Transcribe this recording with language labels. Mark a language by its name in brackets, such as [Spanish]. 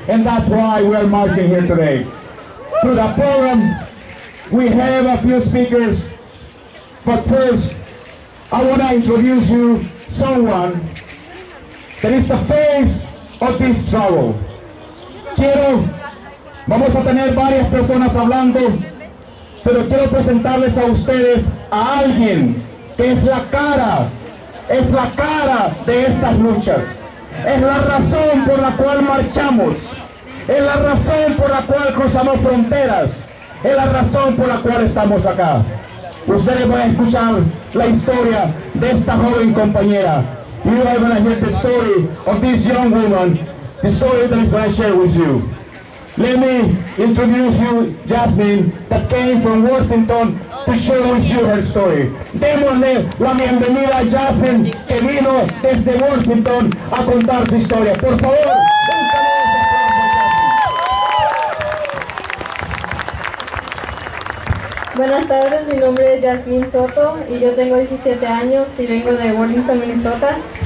[English] And that's why we are marching here today. Through the program, we have a few speakers. But first, I want to introduce you someone that is the face of this struggle. [Spanish] Vamos a tener varias personas hablando, pero quiero presentarles a ustedes a alguien que es la cara de estas luchas. Es la razón por la cual marchamos, es la razón por la cual cruzamos fronteras, es la razón por la cual estamos acá. Ustedes van a escuchar la historia de esta joven compañera. [English] You are going to hear the story of this young woman, the story that is going to share with you. Let me introduce you, Jasmine, that came from Worthington to share with you her story. [Spanish] Démosle la bienvenida a Jasmine, que vino desde Worthington a contar su historia. Por favor. Buenas tardes, mi nombre es Jasmine Soto y yo tengo 17 años y vengo de Worthington, Minnesota.